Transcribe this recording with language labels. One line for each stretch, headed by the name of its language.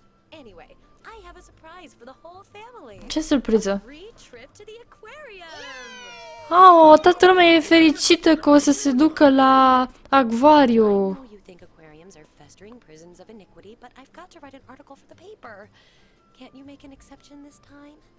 English: Anyway, I have a surprise for the whole family.
Romanian: Ce surpriză?
English: Free trip to the aquarium.
Romanian: Oh, toată lumea e fericită că o să se ducă la acvariu.
English: You think aquariums are festering prisons of iniquity, but I've got to write an article for the paper. Can't you make an exception this time?